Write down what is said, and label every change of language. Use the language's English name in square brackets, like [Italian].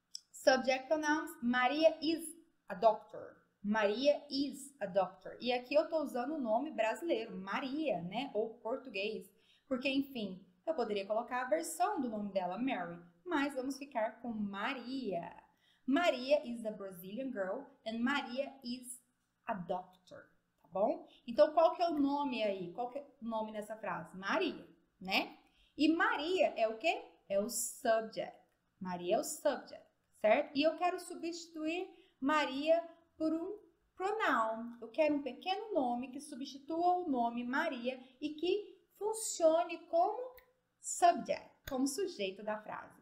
[English] Subject pronouns, Maria is a doctor. Maria is a doctor. [Portuguese] E aqui eu estou usando o nome brasileiro, Maria, né? Ou português. Porque, enfim. Eu poderia colocar a versão do nome dela, Mary, mas vamos ficar com Maria. [English] Maria is a Brazilian girl and Maria is a doctor, tá bom? [Portuguese] Então, qual que é o nome aí? Qual que é o nome nessa frase? Maria, né? E Maria é o quê? É o subject. Maria é o subject, certo? E eu quero substituir Maria por um pronoun. Eu quero um pequeno nome que substitua o nome Maria e que funcione como subject, como sujeito da frase.